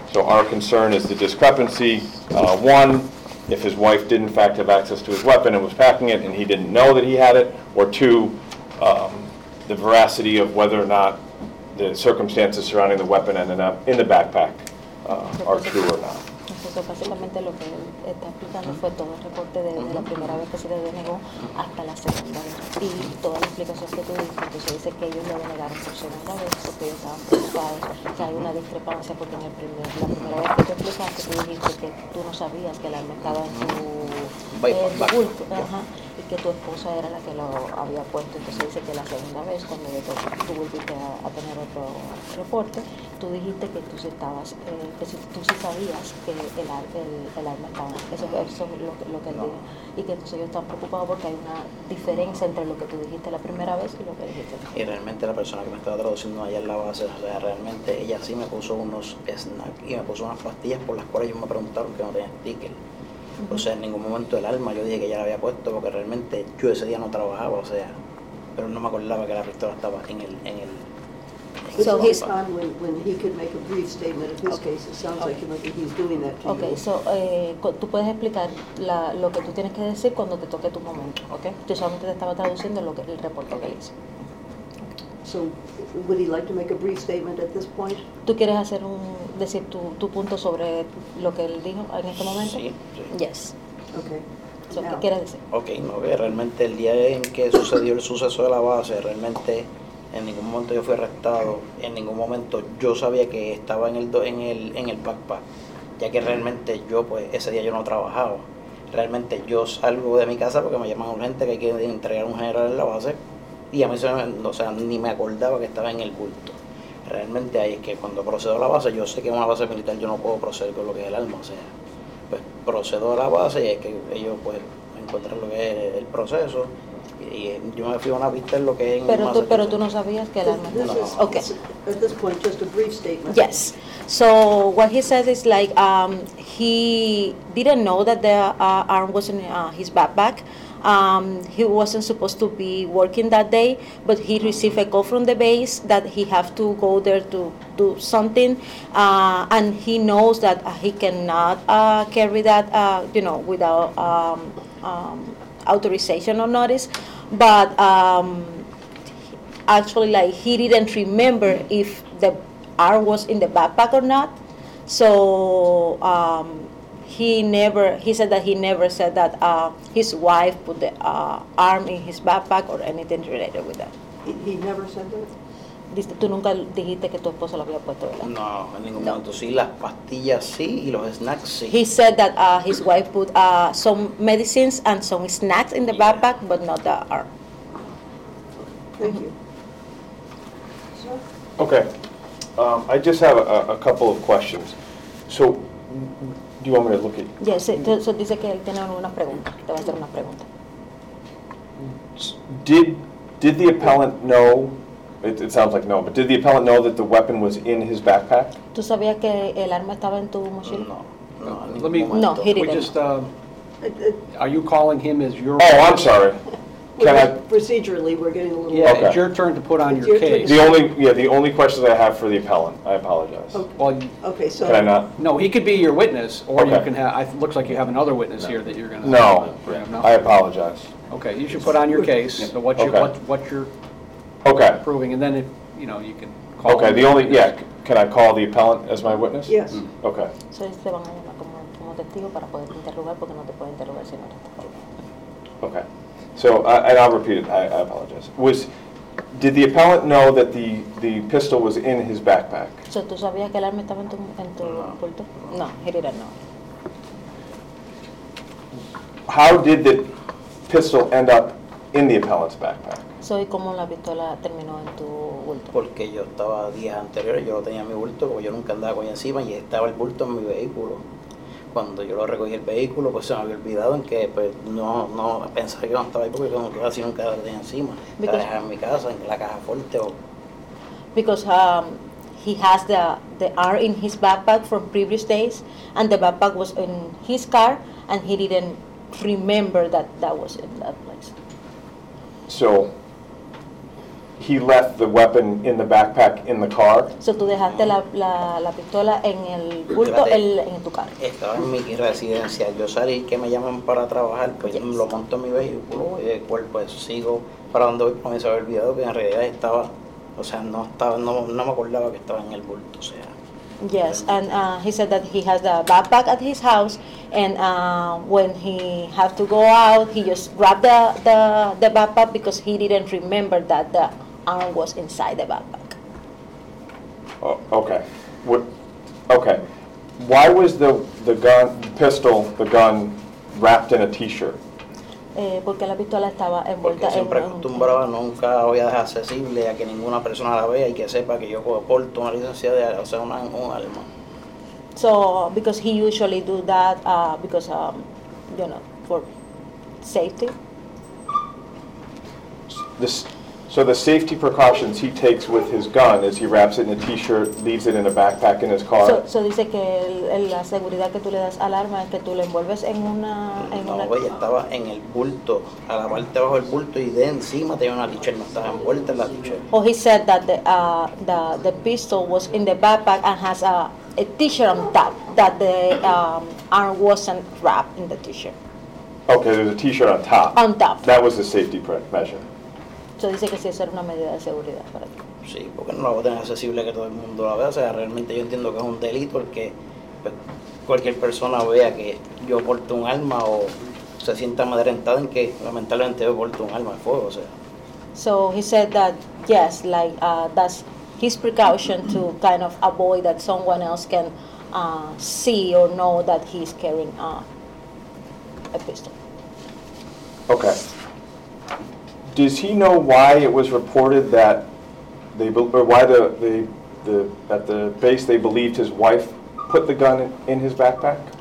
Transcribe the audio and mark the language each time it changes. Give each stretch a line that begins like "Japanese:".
English: So our concern is the discrepancy. One, if his wife did in fact have access to his weapon and was packing it and he didn't know that he had it, or two, the veracity of whether or not the circumstances surrounding the weapon ended up in the backpack are true or not.
Spanish: So básicamente lo que él está explicando fue todo el reporte de la primera vez que se le denegó hasta la segunda vez. Y toda la explicación que tú dices, que se dice que ellos lo denegaron por segunda vez porque ellos estaban preocupados, que hay una discrepancia porque en el primer, la primera vez que tú explicaste, tú dijiste que tú no sabías que el arma estaba en tu bulto. Y que tu esposa era la que lo había puesto. Entonces dice que la segunda vez, cuando tú volviste a tener otro reporte, tú dijiste que tú sí estabas, que si, tú sí sabías que el arma estaba. Eso es lo que él dijo. Y que entonces ellos están preocupados porque hay una diferencia entre lo que tú dijiste la primera vez y lo que dijiste. Y realmente la persona que me estaba traduciendo allá en la base, o sea, realmente ella sí me puso unos snacks y me puso unas pastillas por las cuales ellos me preguntaron que no tenía sticker. O sea, en ningún momento el arma yo dije que ya la había puesto, porque realmente yo ese día no trabajaba, o sea, pero no me acordaba que la pistola estaba en el...
English: So he's on when he could make a brief statement of his case. It sounds like maybe he's doing that to okay, you.
Spanish: Okay, so tú puedes explicar la, lo que tú tienes que decir cuando te toque tu momento, okay? Yo solamente te estaba traduciendo lo que, el reporte que hice.
English: So would he like to make a brief statement at this point?
Spanish: ¿Tú quieres hacer un, decir tu, tu punto sobre lo que él dijo en este momento? Sí, sí.
English: Yes. Okay.
Spanish: So, ¿qué quieres decir? Okay, no, realmente el día en que sucedió el suceso de la base, realmente... En ningún momento yo fui arrestado, en ningún momento yo sabía que estaba en el backpack, ya que realmente yo, pues, ese día yo no trabajaba. Realmente yo salgo de mi casa porque me llaman urgente que hay que entregar un general en la base, y a mí se me, o sea, ni me acordaba que estaba en el bulto. Realmente ahí es que cuando procedo a la base, yo sé que en una base militar yo no puedo proceder con lo que es el arma, o sea, pues procedo a la base y es que ellos, pues, encuentran lo que es el proceso. Y yo me fui a una vista en lo que es pero, pero tú no sabías que el arma estaba.
English: Okay. At this point, just a brief statement. Yes. So what he says is like he didn't know that the arm was in his backpack. He wasn't supposed to be working that day, but he received a call from the base that he have to go there to do something. And he knows that he cannot carry that, you know, without... authorization or notice, but actually, like, he didn't remember if the arm was in the backpack or not, so he said that he never said that his wife put the arm in his backpack or anything related with that. He never said that?
Spanish: Tú nunca dijiste que tu esposo lo había puesto, ¿verdad? No, en ningún momento. Sí, las pastillas sí y los snacks sí.
English: He said that his wife put some medicines and some snacks in the backpack, but not the arm. Thank you. Okay. I just have a couple of questions. So, do you want me to look at...
Spanish: Yes, so dice que él tiene una pregunta. Te va a hacer una pregunta.
English: Did the appellant know... It sounds like no, but did the appellant know that the weapon was in his backpack?
Spanish: ¿Tú sabías que el arma estaba en tu mochila? No.
English: Let me... No, he didn't. We just... are you calling him as your... Oh, I'm sorry. Can I... Procedurally, we're getting a little... Yeah, okay. It's your turn to put on your case. The only questions I have for the appellant. I apologize. Okay, so... Can I not? No, he could be your witness, or you can have... It looks like you have another witness here that you're going to... No. Yeah, no, I apologize. Okay, you should put on your case, but what's your... Okay. Proving, and then if you know, you can call. Okay. The only witness. Yeah. Can I call the appellant as my witness? Yes. Okay. So they
Spanish: van a llamar como testigo para poder interrogar porque no te pueden interrogar si no eres.
English: Okay. So and I'll repeat it. I apologize. Did the appellant know that the pistol was in his backpack?
Spanish: So tú sabías que el arma estaba en tu bulto?
English: No, he didn't know. How did the pistol end up in the appellant's backpack?
Spanish: ¿Y cómo la pistola terminó en tu bulto? Porque yo estaba días anteriores, yo no tenía mi bulto, porque yo nunca andaba con ella encima y estaba el bulto en mi vehículo. Cuando yo lo recogí el vehículo, pues se me había olvidado en que pues no pensaba que no estaba ahí porque yo casi nunca la tenía encima. La dejaba en mi casa, en la caja fuerte.
English: Because he has the R in his backpack from previous days, and the backpack was in his car, and he didn't remember that that was in that place. So... He left the weapon in the backpack in the car.
Spanish: So tú dejaste la pistola en el bulto en tu carro. Estaba en mi residencia. Yo salí que me llaman para trabajar, pues yes. Lo monto en mi vehículo y después pues sigo para donde voy, pues me había olvidado que en realidad estaba, o sea, no me acordaba que estaba en el bulto, o sea.
English: Yes, and he said that he has a backpack at his house, and when he had to go out, he just grabbed the backpack because he didn't remember that the arm was inside the backpack. Okay. Why was the gun wrapped in a T-shirt?
Spanish: Porque la pistola estaba envuelta en... Porque siempre acostumbraba, nunca voy a dejar accesible a que ninguna persona la vea y que sepa que yo porto una licencia de hacer un arma.
English: So, because he usually do that, because, you know, for safety. This, So the safety precautions he takes with his gun is he wraps it in a t-shirt, leaves it in a backpack in his car.
Spanish: So dice que la seguridad que tú le das al arma es que tú le envuelves en una... No, ella estaba en el bulto, a la parte bajo el bulto y de encima tenía una t-shirt, no estaba envuelta en la t-shirt.
English: Oh, he said that the pistol was in the backpack and has a t-shirt on top, that the arm wasn't wrapped in the t-shirt. Okay, there's a t-shirt on top. On top. That was the safety measure.
Spanish: So dice que sí, eso era una medida de seguridad para ti. Sí, porque no la voy a tener accesible que todo el mundo la vea. O sea, realmente yo entiendo que es un delito porque cualquier persona vea que yo porto un arma o se sienta amedrentada en que lamentablemente yo porto un arma de fuego, o sea.
English: So he said that, yes, like, that's his precaution to kind of avoid that someone else can see or know that he's carrying a pistol. Okay. Does he know why it was reported that they or why the at the base they believed his wife put the gun in his backpack?